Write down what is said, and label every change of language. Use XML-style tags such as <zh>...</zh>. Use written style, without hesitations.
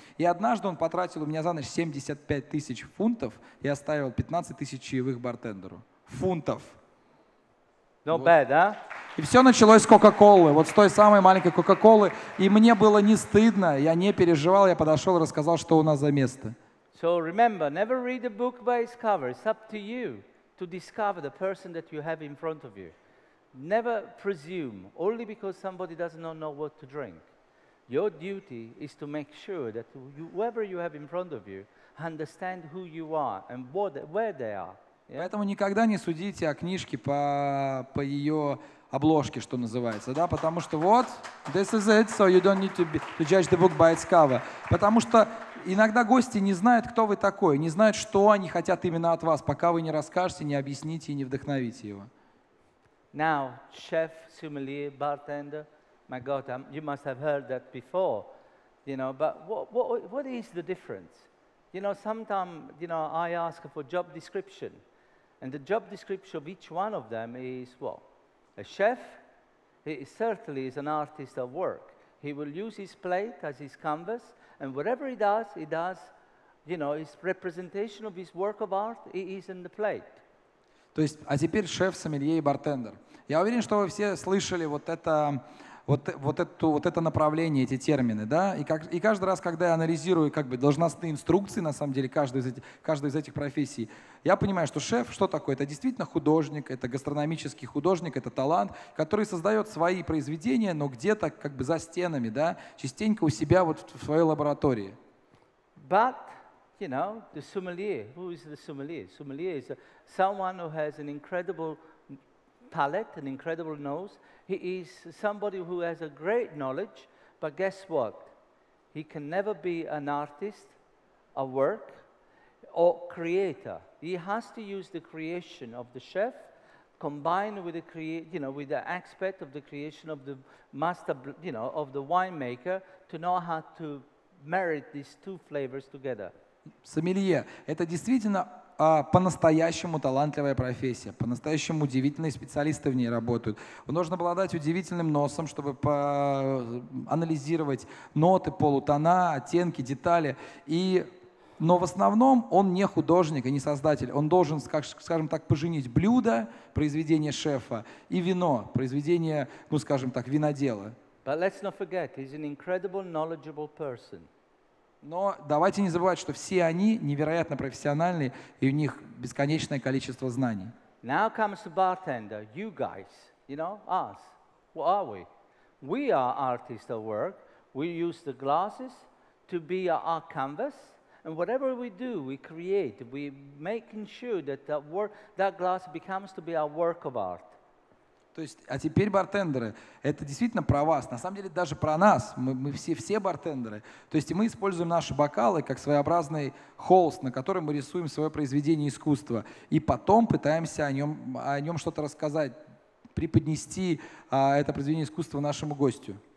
<ru>И однажды он потратил у меня за ночь 75 тысяч фунтов и оставил 15 тысяч чаевых бартендеру. Фунтов.</ru> <en>Not bad, huh?</en> <ru>И все началось с Кока-Колы, вот с той самой маленькой Кока-Колы. И мне было не стыдно, я не переживал, я подошел и рассказал, что у нас за место.</ru> <en>So remember, never read a book by its cover. It's up to you to discover the person that you have in front of you. Never presume, only because somebody does not know what to drink. Your duty is to make sure that whoever you have in front of you understand who you are and where they are.</en> <ru>Поэтому никогда не судите о книжке по ее обложке, что называется, да, потому что вот,</ru> <en>this is it, so you don't need to judge the book by its cover.</en> <ru>Потому что иногда гости не знают, кто вы такой, не знают, что они хотят именно от вас, пока вы не расскажете, не объясните и не вдохновите его.</ru> <en>Now, chef, sommelier, bartender, my God, you must have heard that before, you know, but what is the difference? You know, sometimes, you know, I ask for job description, and the job description of each one of them is, well, a chef, he certainly is an artist of work. He will use his plate as his canvas, and whatever he does, you know, his representation of his work of art, he is in the plate.</en> <ru>То есть, а теперь шеф, сомелье и бартендер. Я уверен, что вы все слышали вот это направление, эти термины, да? И каждый раз, когда я анализирую как бы должностные инструкции, на самом деле, каждую из этих профессий, я понимаю, что шеф, что такое? Это действительно художник, это гастрономический художник, это талант, который создает свои произведения, но где-то как бы за стенами, да? Частенько у себя вот в своей лаборатории.</ru> <en>But... You know, the sommelier. Who is the sommelier? Sommelier is someone who has an incredible palate, an incredible nose. He is somebody who has a great knowledge, but guess what? He can never be an artist, a work, or creator. He has to use the creation of the chef combined with the with the aspect of the creation of the master, you know, of the winemaker to know how to marry these two flavors together.</en> <ru>Сомелье – это действительно по-настоящему талантливая профессия, по-настоящему удивительные специалисты в ней работают. Нужно обладать удивительным носом, чтобы анализировать ноты, полутона, оттенки, детали. Но в основном он не художник и не создатель. Он должен, скажем так, поженить блюдо, произведение шефа, и вино, произведение, ну, скажем так, винодела.</ru> <en>But let's not forget, he's an incredible, knowledgeable person.</en> <ru>Но давайте не забывать, что все они невероятно профессиональны, и у них бесконечное количество знаний.</ru> <en>Now comes the bartender, you guys, you know, us. What are we? We are artists of work. We use the glasses to be our canvas. And whatever we do, we create. We making sure that that glass becomes to be our work of art.</en> <ru>То есть, а теперь бартендеры, это действительно про вас, на самом деле даже про нас, мы все бартендеры. То есть мы используем наши бокалы как своеобразный холст, на котором мы рисуем свое произведение искусства, и потом пытаемся о нем что-то рассказать, преподнести это произведение искусства нашему гостю.</ru>